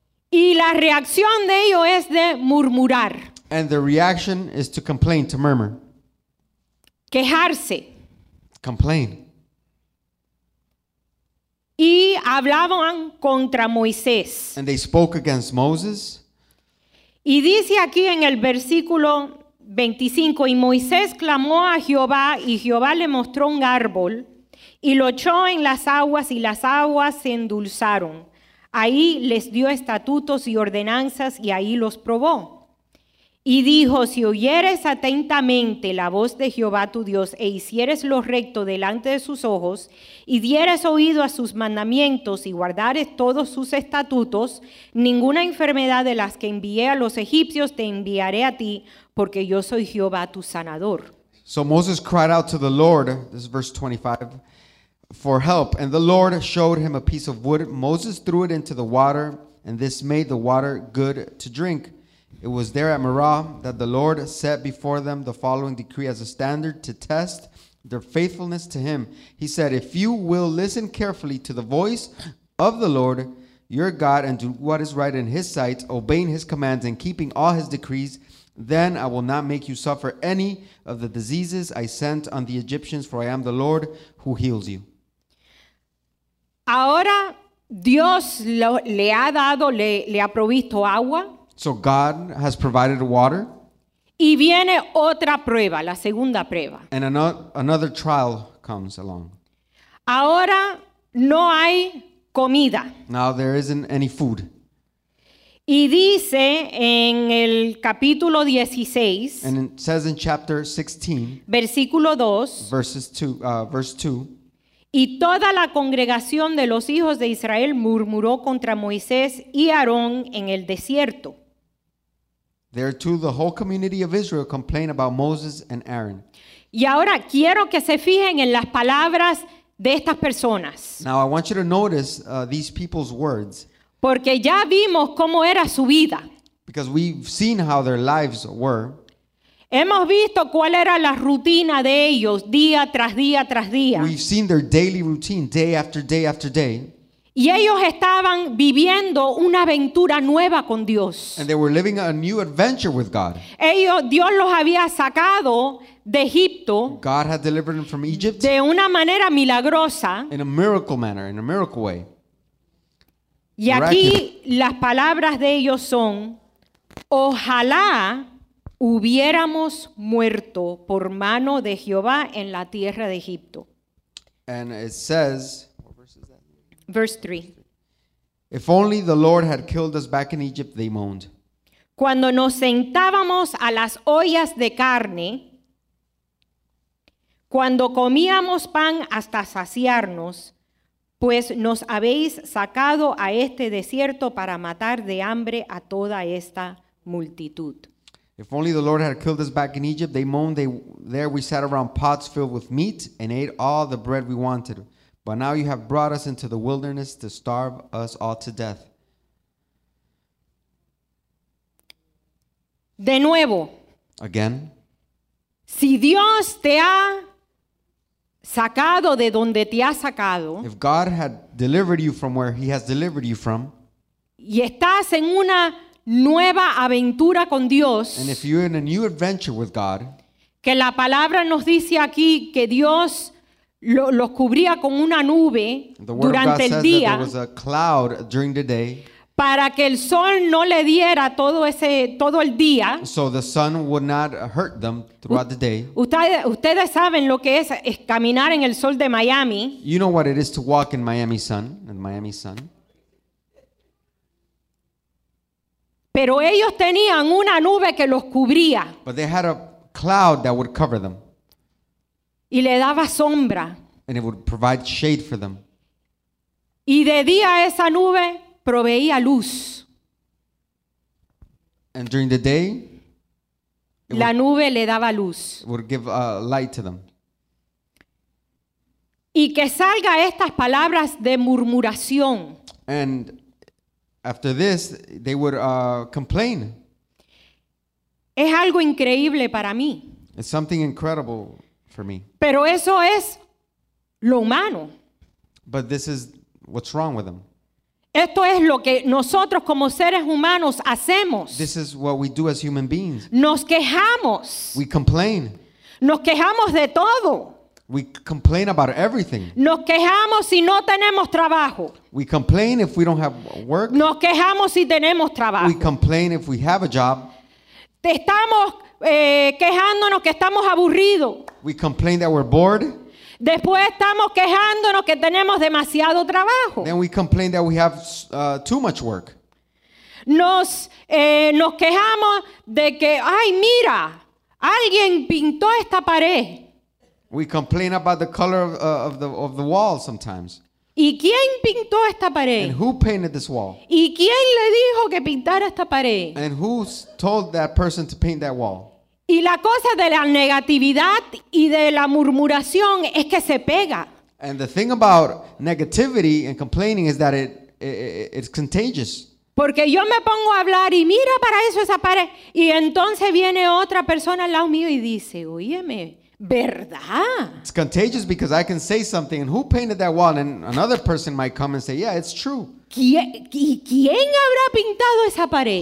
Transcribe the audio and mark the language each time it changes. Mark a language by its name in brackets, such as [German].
[Spanish] Y la reacción de ellos es de murmurar. [English] And the reaction is to complain, to murmur. [Spanish] Quejarse. [English] Complain. [Spanish] Y hablaban contra Moisés. [English] And they spoke against Moses. [Spanish] Y dice aquí en el versículo 25, y Moisés clamó a Jehová, y Jehová le mostró un árbol, y lo echó en las aguas, y las aguas se endulzaron. Ahí les dio estatutos y ordenanzas y ahí los probó. Y dijo, si oyeres atentamente la voz de Jehová tu Dios e hicieres lo recto delante de sus ojos y dieres oído a sus mandamientos y guardares todos sus estatutos, ninguna enfermedad de las que envié a los egipcios te enviaré a ti, porque yo soy Jehová tu sanador. [English] So Moses cried out to the Lord, this is verse 25, for help, and the Lord showed him a piece of wood. Moses threw it into the water, and this made the water good to drink. It was there at Marah that the Lord set before them the following decree as a standard to test their faithfulness to him. He said, if you will listen carefully to the voice of the Lord your God and do what is right in his sight, obeying his commands and keeping all his decrees, then I will not make you suffer any of the diseases I sent on the Egyptians, for I am the Lord who heals you. [Spanish] Ahora Dios le ha dado, le ha provisto agua. [English] So God has provided water. [Spanish] Y viene otra prueba, la segunda prueba. [English] And another trial comes along. [Spanish] Ahora no hay comida. [English] Now there isn't any food. [Spanish] Y dice en el capítulo 16. [English] And it says in chapter 16. [Spanish] Versículo 2. [English] Verse 2. [Spanish] Y toda la congregación de los hijos de Israel murmuró contra Moisés y Aarón en el desierto. [English] There too, the whole community of Israel complained about Moses and Aaron. [Spanish] Y ahora quiero que se fijen en las palabras de estas personas. [English] Now I want you to notice these people's words. [Spanish] Porque ya vimos cómo era su vida. [English] Because we've seen how their lives were. [Spanish] Hemos visto cuál era la rutina de ellos día tras día tras día. [English] We've seen their daily routine day after day after day. [Spanish] Y ellos estaban viviendo una aventura nueva con Dios. [English] And they were living a new adventure with God. [Spanish] Ellos, Dios los había sacado de Egipto. [English] God had delivered them from Egypt. [Spanish] De una manera milagrosa. [English] In a miracle manner, in a miracle way. [Spanish] Y aquí las palabras de ellos son: ojalá hubiéramos muerto por mano de Jehová en la tierra de Egipto. [English] And it says, verse 3. If only the Lord had killed us back in Egypt, they moaned. [Spanish] Cuando nos sentábamos a las ollas de carne, cuando comíamos pan hasta saciarnos, pues nos habéis sacado a este desierto para matar de hambre a toda esta multitud. [English] If only the Lord had killed us back in Egypt, they moaned, there we sat around pots filled with meat and ate all the bread we wanted. But now you have brought us into the wilderness to starve us all to death. [Spanish] De nuevo. [English] Again. [Spanish] Si Dios te ha sacado de donde te ha sacado. [English] If God had delivered you from where he has delivered you from. [Spanish] Y estás en una nueva aventura con Dios. [English] And if you're in a new adventure with God. [Spanish] Que la palabra nos dice aquí que Dios los cubría con una nube durante el día. [English] There was a cloud during the day. [Spanish] Para que el sol no le diera todo el día. [English] So the sun would not hurt them throughout the day. [Spanish] Ustedes saben lo que es caminar en el sol de Miami. [English] You know what it is to walk in Miami sun, in Miami sun. [Spanish] Pero ellos tenían una nube que los cubría. [English] But they had a cloud that would cover them. [Spanish] Y le daba sombra. [English] And it would provide shade for them. [Spanish] Y de día esa nube proveía luz. [English] And during the day, [Spanish] la nube le daba luz. [English] Would give light to them. [Spanish] Y que salga estas palabras de murmuración. [English] And after this, they would complain. [Spanish] Es algo increíble para mí. [English] It's something incredible for me. [Spanish] Pero eso es lo humano. [English] But this is what's wrong with them. [Spanish] Esto es lo que nosotros como seres humanos hacemos. [English] This is what we do as human beings. [Spanish] Nos quejamos. [English] We complain. [Spanish] Nos quejamos de todo. [English] We complain about everything. [Spanish] Nos quejamos si no tenemos trabajo. [English] We complain if we don't have work. [Spanish] Nos quejamos si tenemos trabajo. [English] We complain if we have a job. [Spanish] Estamos quejándonos que estamos aburridos. [English] We complain that we're bored. [Spanish] Después estamos quejándonos que tenemos demasiado trabajo. [English] Then we complain that we have too much work. [Spanish] Nos quejamos de que, ay, mira, alguien pintó esta pared. [English] We complain about the color of the wall sometimes. [Spanish] ¿Y quién pintó esta pared? [English] And who painted this wall? [Spanish] ¿Y quién le dijo que pintara esta pared? [English] And who told that person to paint that wall? [Spanish] Y la cosa de la negatividad y de la murmuración es que se pega. [English] And the thing about negativity and complaining is that it's contagious. [Spanish] Porque yo me pongo a hablar y mira para eso esa pared. Y entonces viene otra persona al lado mío y dice, óyeme, ¿verdad? [English] It's contagious because I can say something and who painted that wall? And another person might come and say, yeah, it's true. [Spanish] ¿Y quién habrá pintado esa pared?